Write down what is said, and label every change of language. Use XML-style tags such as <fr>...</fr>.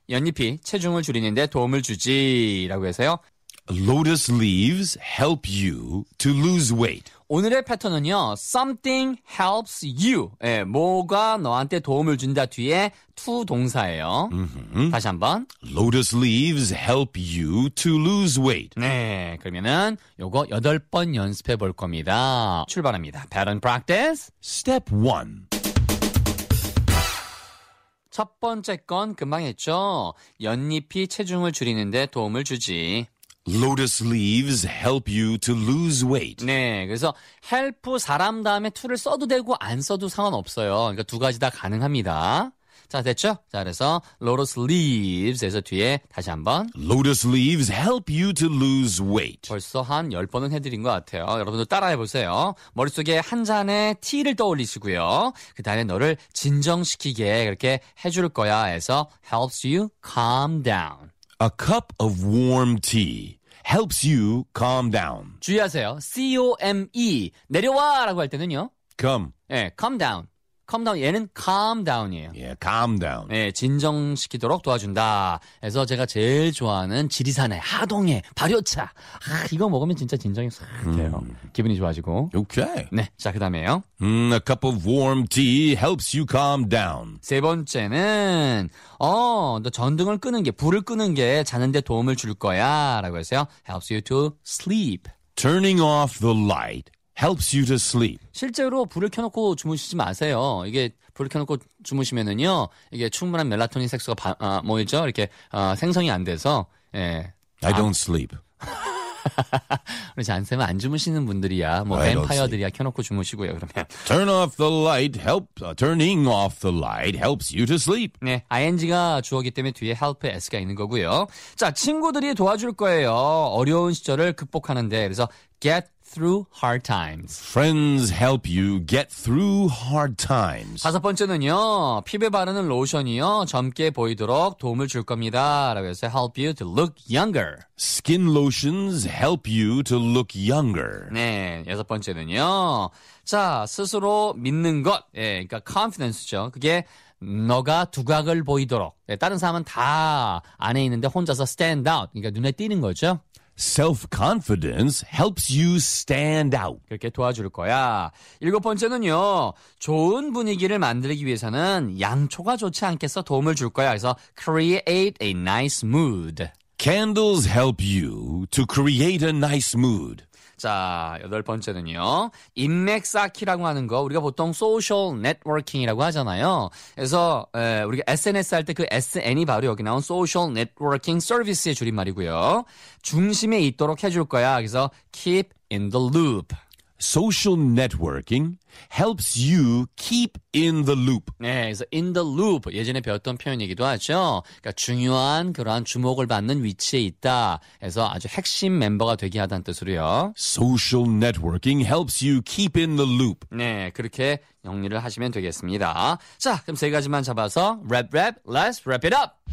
<ko>연잎이 체중을 줄이는 데 도움을 주지라고 해서요.</ko> <en>Lotus leaves help you to lose weight.</en> <ko>오늘의 패턴은요.</ko> <en>Something helps you.</en> <ko>예, 뭐가 너한테 도움을 준다 뒤에 to 동사예요. Mm-hmm. 다시 한번.</ko> <en>Lotus leaves help you to lose weight.</en> <ko>네, 그러면은 요거 8번 연습해 볼 겁니다. 출발합니다.</ko> <en>Pattern practice. Step 1.</en> <ko>첫 번째 건 금방 했죠. 연잎이 체중을 줄이는데 도움을 주지.</ko> <en>Lotus leaves help you to lose weight.</en> <ko>네, 그래서 help 사람 다음에 to를 써도 되고 안 써도 상관없어요. 그러니까 두 가지 다 가능합니다. 자, 됐죠? 자, 그래서 lotus leaves에서 뒤에 다시 한번</ko> <en>lotus leaves help you to lose weight.</en> <ko>벌써 한 열 번은 해드린 것 같아요. 여러분도 따라해보세요. 머릿속에 한 잔의 티를 떠올리시고요. 그 다음에 너를 진정시키게 그렇게 해줄 거야 해서</ko> <en>helps you calm down. A cup of warm tea helps you calm down.</en> <ko>주의하세요. C-O-M-E 내려와라고 할 때는요.</ko> <en>Come. 네, calm down. Calm down.</en> <ko>얘는 calm down이에요.</ko> <en>Yeah, calm down.</en> <ko>네, 진정시키도록 도와준다. 그래서 제가 제일 좋아하는 지리산의 하동의 발효차. 아, 이거 먹으면 진짜 진정이 싹 돼요. 기분이 좋아지고.</ko> <en>Okay.</en> <ko>네, 자 그다음에요.</ko> <en>A cup of warm tea helps you calm down.</en> <ko>세 번째는 너 전등을 끄는 게 불을 끄는 게 자는 데 도움을 줄 거야라고 했어요.</ko> <en>Helps you to sleep. Turning off the light. Helps you to sleep.</en> <ko>실제로 불을 켜놓고 주무시지 마세요. 이게 불을 켜놓고 주무시면은요, 이게 충분한 멜라토닌 색소가 뭐였죠? 이렇게 생성이 안 돼서. 예.</ko> <en>I don't sleep.</en> <ko>그렇지 않으면 안 주무시는 분들이야. 뭐 뱀파이어들이야. 켜놓고 주무시고요. 그러면.</ko> <en>Turn off the light. Help. Turning off the light helps you to sleep.</en> <ko>네, ing가 주어기 때문에 뒤에 help s가 있는 거고요. 자, 친구들이 도와줄 거예요. 어려운 시절을 극복하는데 그래서 get.</ko> <en>Through hard times. Friends help you get through hard times.</en> <ko>다섯 번째는요. 피부에 바르는 로션이요. 젊게 보이도록 도움을 줄 겁니다. 라고 해서</ko> <en>help you to look younger. Skin lotions help you to look younger.</en> <ko>네. 여섯 번째는요. 자, 스스로 믿는 것. 예, 그러니까 confidence죠. 그게 너가 두각을 보이도록. 예, 다른 사람은 다 안에 있는데 혼자서 stand out. 그러니까 눈에 띄는 거죠.</ko> <en>Self-confidence helps you stand out.</en> <ko>그렇게 도와줄 거야. 일곱 번째는요. 좋은 분위기를 만들기 위해서는 양초가 좋지 않겠어 도움을 줄 거야. 그래서</ko> <en>create a nice mood. Candles help you to create a nice mood.</en> <ko>자, 여덟 번째는요. 인맥 쌓기라고 하는 거 우리가 보통 소셜 네트워킹이라고 하잖아요. 그래서 우리가 SNS 할 때 그 SN이 바로 여기 나온 소셜 네트워킹 서비스의 줄임말이고요. 중심에 있도록 해줄 거야. 그래서</ko> <en>keep in the loop. Social networking helps you keep in the loop.</en> <ko>네, 그래서 in the loop 예전에 배웠던 표현이기도 하죠. 그러니까 중요한 그러한 주목을 받는 위치에 있다. 해서 아주 핵심 멤버가 되게 하다는 뜻으로요.</ko> <en>Social networking helps you keep in the loop.</en> <ko>네, 그렇게 영리를 하시면 되겠습니다. 자, 그럼 세 가지만 잡아서 랩,</ko> <en>let's wrap it up.</en>